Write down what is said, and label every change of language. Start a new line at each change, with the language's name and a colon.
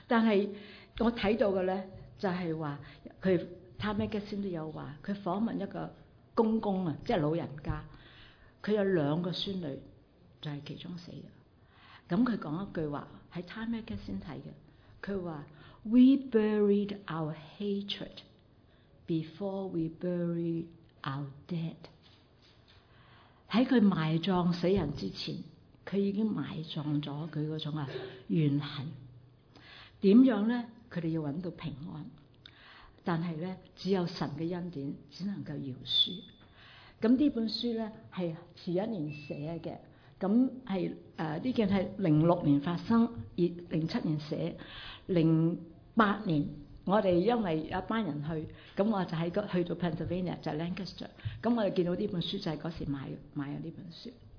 Chinese: 但係我睇到嘅咧，就係話佢探咩嘅先都有話，佢訪問一個公公啊，即係老人家，佢有兩個孫女，就係其中死嘅。咁佢講一句話喺探咩嘅先睇嘅，佢話。
English: We buried our hatred before we buried our dead.
Chinese: 在他埋葬死人之前，他已经埋葬了他那种怨恨。怎样呢？他们要找到平安，但是呢，只有神的恩典只能够饶恕。咁呢本書咧係遲一年寫嘅，咁係呢件係2006年發生，2007年寫，2008年我哋因為有一班人去，咁我就喺個去到 Pennsylvania 就 Lancaster， 咁我哋見到呢本書就係嗰時買咗呢本書。